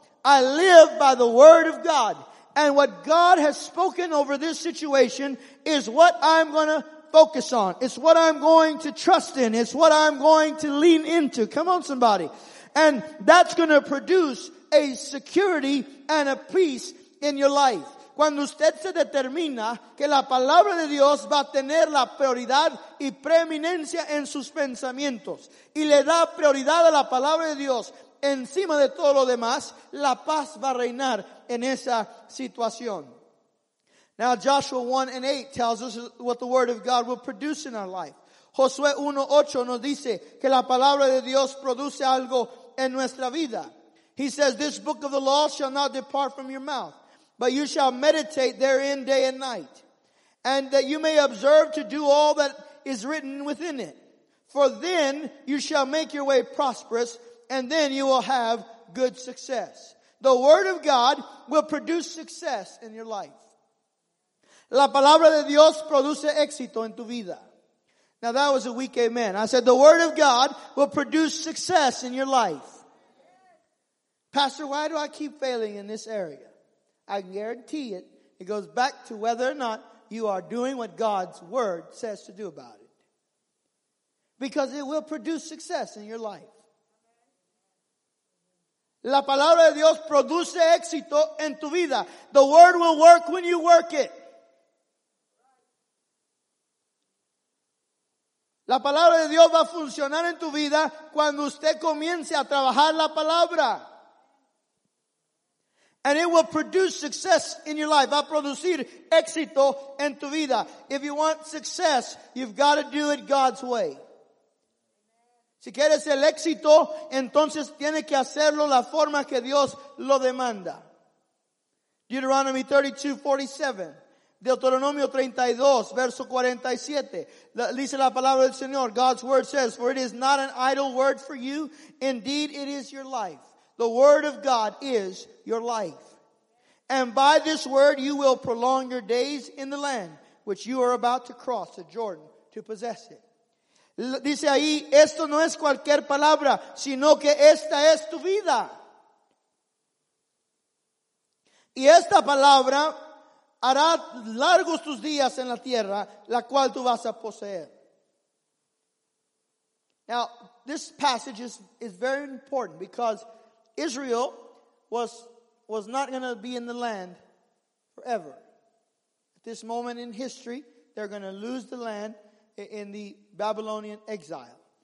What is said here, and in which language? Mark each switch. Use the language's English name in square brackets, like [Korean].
[English] I live by the word of God. And what God has spoken over this situation is what I'm going to focus on. It's what I'm going to trust in. It's what I'm going to lean into. Come on, somebody. And that's going to produce a security and a peace in your life. [Spanish] Cuando usted se determina que la palabra de Dios va a tener la prioridad y preeminencia en sus pensamientos y le da prioridad a la palabra de Dios encima de todo lo demás, la paz va a reinar en esa situación. [English] Now Joshua 1:8 tells us what the word of God will produce in our life. [Spanish] Josué 1:8 nos dice que la palabra de Dios produce algo en nuestra vida. [English] He says, this book of the law shall not depart from your mouth. but you shall meditate therein day and night, and that you may observe to do all that is written within it. For then you shall make your way prosperous, and then you will have good success. The word of God will produce success in your life. [Spanish] La palabra de Dios produce éxito en tu vida. [English] Now that was a weak amen. I said the word of God will produce success in your life. Pastor, why do I keep failing in this area? I guarantee it. It goes back to whether or not you are doing what God's word says to do about it. Because it will produce success in your life. [Spanish] La palabra de Dios produce éxito en tu vida. [English] The word will work when you work it. [Spanish] La palabra de Dios va a funcionar en tu vida cuando usted comience a trabajar la palabra. [English] And it will produce success in your life. [Spanish] Va a producir éxito en tu vida. [English] If you want success, you've got to do it God's way. [Spanish] Si quieres el éxito, entonces tiene que hacerlo la forma que Dios lo demanda. Deuteronomy 32:47. Deuteronomio 32, verso 47. Dice la palabra del Señor. [English] God's word says, for it is not an idle word for you. Indeed, it is your life. The word of God is your life. And by this word you will prolong your days in the land which you are about to cross the Jordan to possess it. [Spanish] Dice ahí, esto no es cualquier palabra, sino que esta es tu vida. Y esta palabra hará largos tus días en la tierra, la cual tú vas a poseer. [English] Now, this passage is very important because Israel was not going to be in the land forever. At this moment in history, they're going to lose the land in the Babylonian exile.